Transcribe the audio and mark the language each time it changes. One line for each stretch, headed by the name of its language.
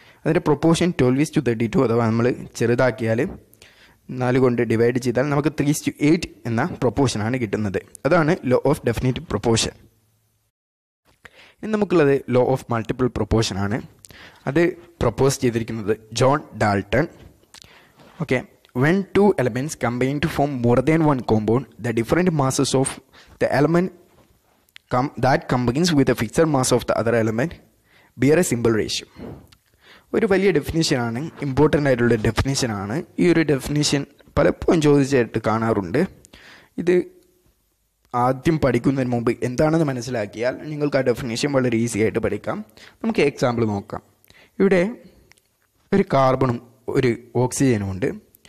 Malayalam: അതിൻ്റെ പ്രൊപ്പോർഷൻ 12:32 അഥവാ നമ്മൾ ചെറുതാക്കിയാൽ 4 കൊണ്ട് ഡിവൈഡ് ചെയ്താൽ നമുക്ക് 3:8 എന്ന പ്രൊപ്പോർഷനാണ് കിട്ടുന്നത്. അതാണ് ലോ ഓഫ് ഡെഫിനിറ്റ് പ്രൊപ്പോർഷൻ. ഇനി നമുക്കുള്ളത് ലോ ഓഫ് മൾട്ടിപ്പിൾ പ്രൊപ്പോർഷനാണ്. അത് പ്രൊപ്പോസ് ചെയ്തിരിക്കുന്നത് John Dalton.
English: Okay, When two elements combine to form more than one compound, the different masses of the element that combines with the fixed mass of the other element bear a simple ratio.
Malayalam: ഒരു വലിയ ഡെഫിനിഷനാണ്, important ആയിട്ടുള്ള ഡെഫിനിഷനാണ്. ഈ ഒരു definition പലപ്പോഴും ചോദിച്ചായിട്ട് കാണാറുണ്ട്. ഇത് ആദ്യം പഠിക്കുന്നതിന് മുമ്പ് എന്താണെന്ന് മനസ്സിലാക്കിയാൽ നിങ്ങൾക്ക് ആ ഡെഫിനിഷൻ വളരെ ഈസി ആയിട്ട് പഠിക്കാം. നമുക്ക് എക്സാമ്പിൾ നോക്കാം. ഇവിടെ ഒരു കാർബണും ഒരു ഓക്സിജനും ഉണ്ട്.